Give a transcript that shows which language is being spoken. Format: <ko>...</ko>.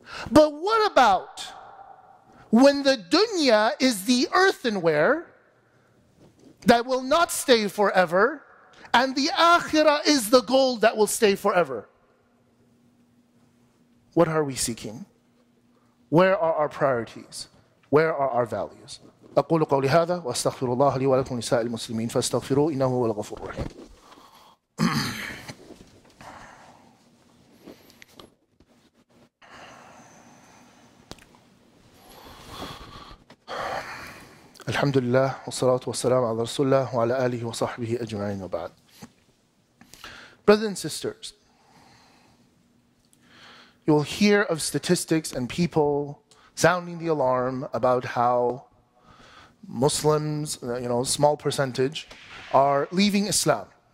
<en>But what about when the dunya is the earthenware that will not stay forever, and the akhirah is the gold that will stay forever? What are we seeking? Where are our priorities? Where are our values?</en> <ar>أقول قولي هذا وأستغفر الله لي ولكم نساء المسلمين فاستغفروا إنه هو الغفور الرحيم. الحمد لله والصلاة والسلام على رسول الله وعلى آله وصحبه أجمعين وبعد.</ar> <en>Brothers and sisters, you will hear of statistics and people sounding the alarm about how Muslims, you know, small percentage, are leaving Islam.</en>